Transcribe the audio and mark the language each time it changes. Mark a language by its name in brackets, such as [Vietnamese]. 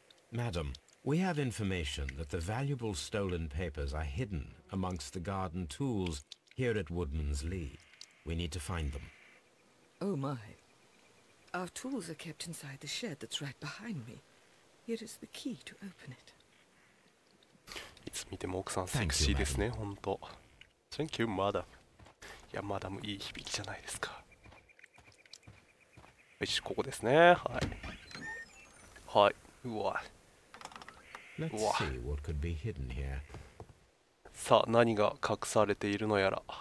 [English] Madam, we have information that the valuable stolen papers are hidden amongst the garden tools here at Woodman's Lee. We need to find them. Oh my. Our tools are kept inside the shed that's right behind me. Here is the key to open it. [Japanese] いつ見ても奥さんセク [English] Thank you, [Japanese] シーです [English] madam. [Japanese] ね、ほんと。 [English] Thank you, madam. [Japanese] いや、マダムいい響きじゃないですか。よし、ここですね。はい。はい。 [English] Let's see what could be hidden here. [Japanese] さあ、何が隠されているのやら。